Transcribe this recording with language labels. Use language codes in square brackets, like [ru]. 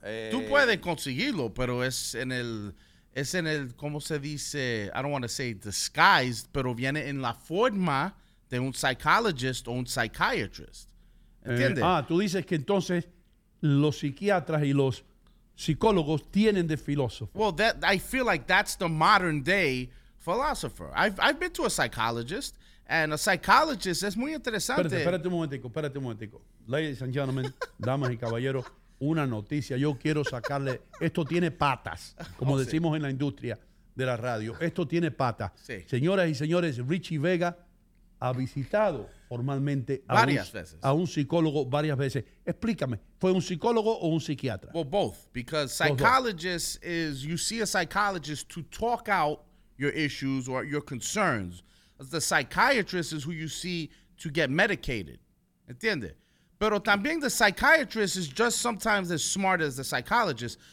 [es] Tú puedes conseguirlo, pero es en el, ¿cómo se dice? [en] I don't want to say disguised, [es] pero viene en la forma de un psychologist o un psychiatrist. ¿Entiendes? Tú dices que entonces los psiquiatras y los psicólogos tienen de filósofo. [en] Well, I feel like that's the modern day philosopher. I've been to a psychologist, and a psychologist [es] es muy interesante. Espérate un momentico. [en] Ladies and gentlemen, [es] damas y caballeros. Una noticia, yo quiero sacarle, esto tiene patas, como decimos en la industria de la radio, esto tiene patas. Sí. Señoras y señores, Richie Vega ha visitado formalmente a un psicólogo varias veces. Explícame, ¿fue un psicólogo o un psiquiatra? [en] Well, both, because psychologist is, you see a psychologist to talk out your issues or your concerns. The psychiatrist is who you see to get medicated, [es] ¿entiendes? Pero también [en] the psychiatrist is just sometimes as smart as the psychologist.